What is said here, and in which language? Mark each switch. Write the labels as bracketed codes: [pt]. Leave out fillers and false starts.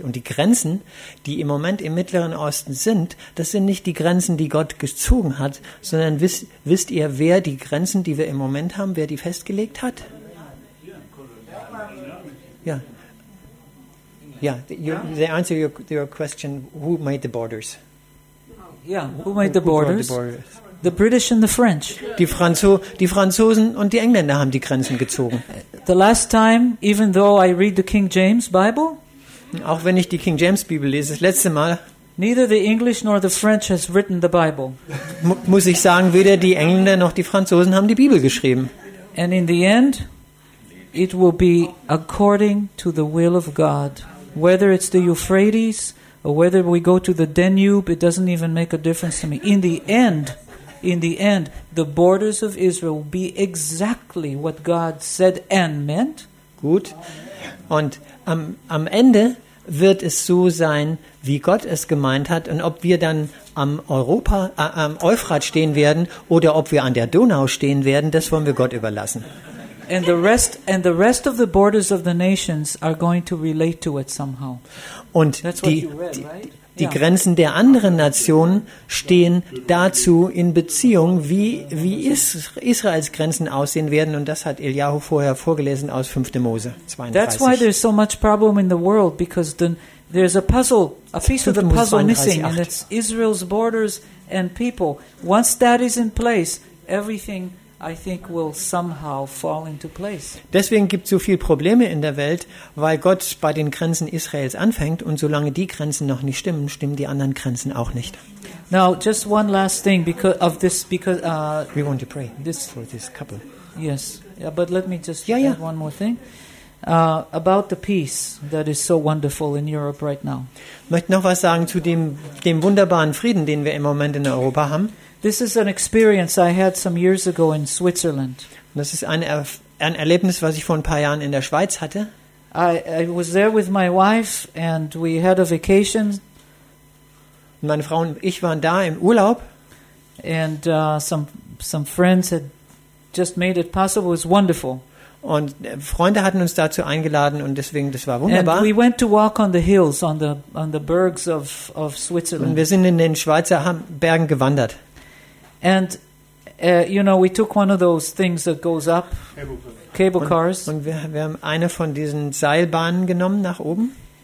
[de] Und die Grenzen, die im Moment im Mittleren Osten sind, das sind nicht die Grenzen, die Gott gezogen hat, sondern wisst ihr, wer die Grenzen, die wir im Moment haben, wer die festgelegt hat? Ja. [en] Ja, they answer your question, who made the borders? Yeah, who made the borders? Who drew the borders? The British and the French. [de] Die Franzosen und die Engländer haben die Grenzen gezogen. [en] The last time, even though I read the King James Bible, [de] auch wenn ich die King James Bibel lese, das letzte Mal, [en] neither the English nor the French has written the Bible. [de] Muss ich sagen, weder die Engländer noch die Franzosen haben die Bibel geschrieben. [en] And in the end, it will be according to the will of God. Whether it's the Euphrates or whether we go to the Danube, it doesn't even make a difference to me. In the end, the borders of Israel will be exactly what God said and meant. [de] Gut. Und am Ende wird es so sein, wie Gott es gemeint hat. Und ob wir dann am Euphrat stehen werden oder ob wir an der Donau stehen werden, das wollen wir Gott überlassen. [en] And the rest of the borders of the nations are going to relate to it somehow. [de] Und [en] that's [de] die, [en] what you read, [de] die, [en] right? [de] Die Grenzen der anderen Nationen stehen dazu in Beziehung, wie Israels Grenzen aussehen werden. Und das hat Eliyahu vorher vorgelesen aus 5. Mose 32. [en] That's why there's so much problem in the world, because then there's a puzzle, a piece of the puzzle missing, and it's Israel's borders and people. Once that is in place, everything, I think, will somehow fall into place. [de] Deswegen gibt es so viele Probleme in der Welt, weil Gott bei den Grenzen Israels anfängt und solange die Grenzen noch nicht stimmen, stimmen die anderen Grenzen auch nicht. [en] Now, just one last thing because we want to pray for this couple. Yes, yeah, but let me just add one more thing about the peace that is so wonderful in Europe right now. [de] Ich möchte noch was sagen zu dem wunderbaren Frieden, den wir im Moment in Europa haben. [en] This is an experience I had some years ago in Switzerland. [de] Das ist ein Erlebnis, was ich vor ein paar Jahren in der Schweiz hatte. [en] I was there with my wife and we had a vacation. [de] Meine Frau und ich waren da im Urlaub. [en] And some friends had just made it possible. It was wonderful. [de] Und Freunde hatten uns dazu eingeladen und deswegen, das war wunderbar. [en] And we went to walk on the hills, on the bergs of Switzerland. [de] Und wir sind in den Schweizer Bergen gewandert. [en] And you know, we took one of those things that goes up, cable cars. [de] Und wir haben eine von diesen Seilbahnen genommen nach oben.